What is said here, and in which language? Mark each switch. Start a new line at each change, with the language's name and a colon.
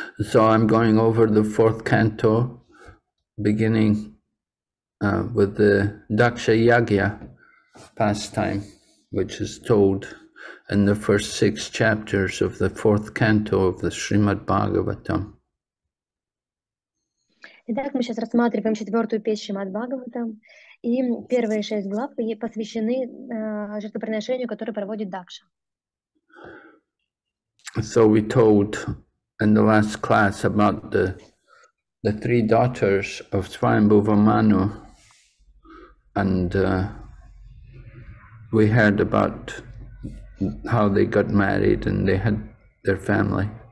English: So I'm going over the fourth canto, beginning with the Daksha Yagya pastime, which is told in the first six chapters of the fourth canto of the Srimad Bhagavatam.
Russian: Итак, мы сейчас рассматриваем четвертую песню Шримад-Бхагаватам, и первые шесть глав посвящены жертвоприношению, которое проводит Дакша.
English: So we told in the last class about the three daughters of Svayambhuva Manu, and we heard about how they got married and they had their family.